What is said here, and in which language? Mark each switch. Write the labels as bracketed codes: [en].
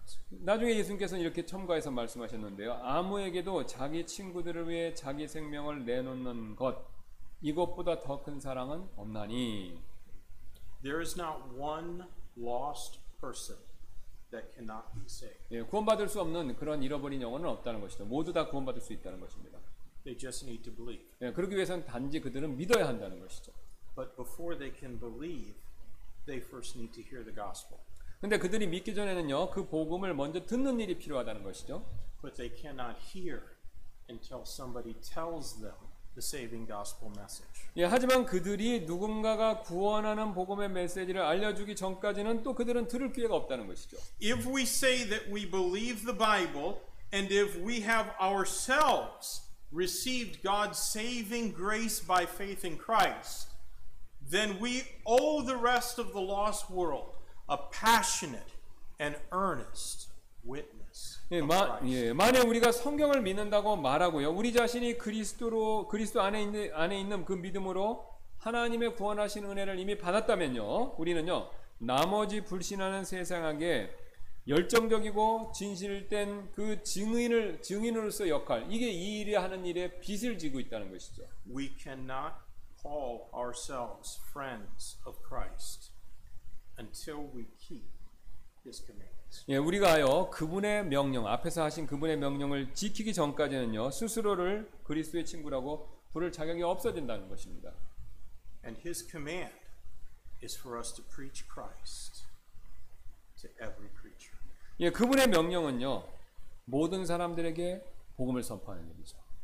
[ko] 나중에 예수님께서는 이렇게 첨가해서 말씀하셨는데요. 아무에게도 자기 친구들을 위해 자기 생명을 내놓는 것 이것보다 더 큰 사랑은 없나니. [en] There is not one lost person that cannot be saved. [ko] 예, 구원받을 수 없는 그런 잃어버린 영혼은 없다는 것이죠. 모두 다 구원받을 수 있다는 것입니다. [en] They just need to believe. [ko] 예, 그러기 위해서는 단지 그들은 믿어야 한다는 것이죠. [en] But before they can believe, they first need to hear the gospel. [ko] 근데 그들이 믿기 전에는요, 그 복음을 먼저 듣는 일이 필요하다는 것이죠. [en] But they cannot hear until somebody tells them the saving gospel message. [ko] 예, 하지만 그들이 누군가가 구원하는 복음의 메시지를 알려주기 전까지는 또 그들은 들을 기회가 없다는 것이죠. [en] If we say that we believe the Bible and if we have ourselves received God's saving grace by faith in Christ, then we owe the rest of the lost world a passionate and earnest witness. [ko] 예, 만약 우리가 성경을 믿는다고 말하고요, 우리 자신이 그리스도 안에 있는 그 믿음으로 하나님의 구원하신 은혜를 이미 받았다면요, 우리는요 나머지 불신하는 세상에게 열정적이고 진실된 그 증인으로서 역할, 이게 이 일이 하는 일에 빚을 지고 있다는 것이죠. [en] We cannot call ourselves friends of Christ until we keep His commands. [ko] 예, 우리가요 그분의 명령, 앞에서 하신 그분의 명령을 지키기 전까지는요 스스로를 그리스도의 친구라고 부를 자격이 없어진다는 것입니다. [en] And His command is for us to preach Christ. To every creature. [ko] 예, 그분의 명령은요 모든 사람들에게 복음을 선포하는 일이죠.